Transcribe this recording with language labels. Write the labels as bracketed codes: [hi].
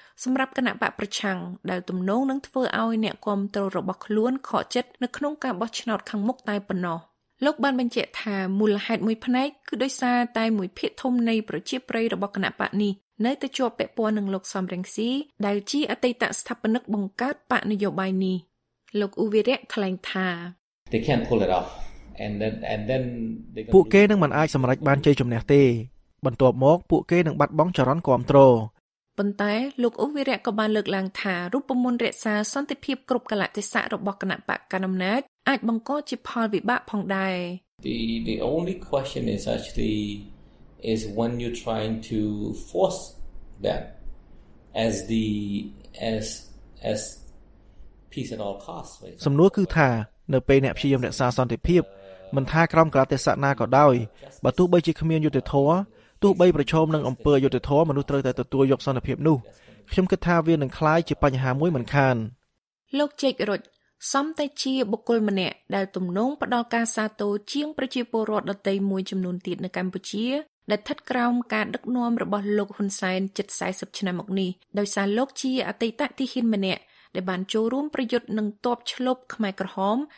[km] សម្រាប់គណៈបកប្រឆាំងដែលទំនោរនឹងធ្វើឲ្យអ្នកគ្រប់គ្រងរបស់ខ្លួនខកចិត្តនៅក្នុងការបោះឆ្នោតខាងមុខតែប៉ុណ្ណោះលោកបានបញ្ជាក់ថាមូលហេតុមួយផ្នែកគឺដោយសារតែមួយភាគធំនៃប្រជាប្រិយរបស់គណៈបកនេះនៅតែជាប់ពាក់ព័ន្ធនឹងលោកសំរងស៊ីដែលជាអតីតស្ថាបនិកបង្កើតបកនយោបាយនេះលោកអ៊ូវីរៈថ្លែងថា [en] They can't pull it off and then they [km] ពួកគេនឹងមិនអាចសម្រេចបានជ័យជំនះទេបន្ទាប់មកពួកគេនឹងបាត់បង់ចរន្តគ្រប់គ្រង ប៉ុន្តែលោកអ៊ូវីរៈក៏បានលើកឡើងថារូបមន្តរក្សាសន្តិភាពគ្រប់កលៈទេសៈរបស់គណៈបកកណ្ដាលអំណាចអាចបង្កជាផលវិបាកផងដែរ [en] The only question is actually is when you're trying to force them as the as peace at all costs. [km] សំណួរគឺថានៅពេលអ្នកព្យាយាមរក្សាសន្តិភាពមិនថាក្រុមកលាទេសៈណាក៏ដោយបើទោះបីជាគ្មានយុត្តិធម៌ទោះបីប្រឈមនឹងអំពើយុត្តិធម៌មនុស្សត្រូវតែទទួលយកសន្តិភាពនោះខ្ញុំគិតថាវានឹងคล้ายជាបញ្ហាមួយមិនខាន លោកជេករុចសំតែជាបុគ្គលម្នាក់ដែលទំនោរផ្ដល់ការសាទរជាងប្រជាពលរដ្ឋដទៃមួយចំនួនទៀតនៅកម្ពុជាដែលស្ថិតក្រោមការដឹកនាំរបស់លោកហ៊ុនសែនជិត40ឆ្នាំមកនេះដោយសារលោកជាអតីតទាហានម្នាក់ដែលបានចូលរួមប្រយុទ្ធនឹងទ័ពឈ្លបខ្មែរក្រហម